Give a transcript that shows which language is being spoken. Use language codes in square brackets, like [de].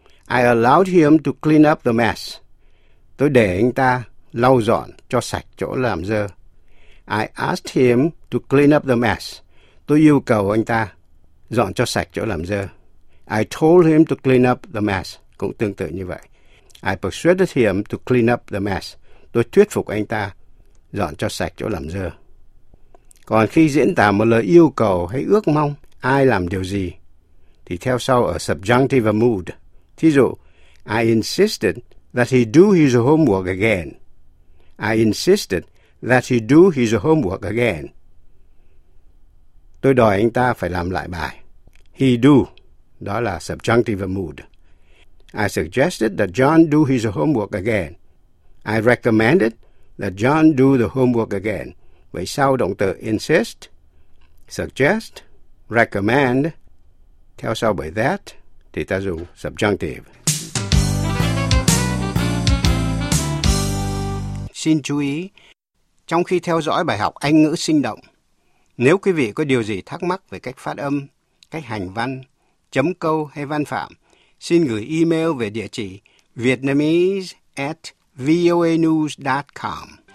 [en] I allowed him to clean up the mess. [vi] Tôi để anh ta lau dọn cho sạch chỗ làm dơ. [en] I asked him to clean up the mess. [vi] Tôi yêu cầu anh ta dọn cho sạch chỗ làm dơ. [en] I told him to clean up the mess. [vi] Cũng tương tự như vậy. [en] I persuaded him to clean up the mess. [vi] Tôi thuyết phục anh ta dọn cho sạch chỗ làm dơ. Còn khi diễn tả một lời yêu cầu hay ước mong ai làm điều gì, thì theo sau ở subjunctive mood. Thí dụ, [en] I insisted that he do his homework again. I insisted that he do his homework again. [vi] Tôi đòi anh ta phải làm lại bài. [en] He do, [vi] đó là [en] subjunctive mood. I suggested that John do his homework again. I recommended that John do the homework again. [vi] Vậy sao động từ insist, suggest, recommend theo sau bởi that thì ta dùng subjunctive. Xin chú ý, trong khi theo dõi bài học Anh ngữ sinh động, nếu quý vị có điều gì thắc mắc về cách phát âm, cách hành văn, chấm câu hay văn phạm, xin gửi email về địa chỉ vietnamese@voanews.com.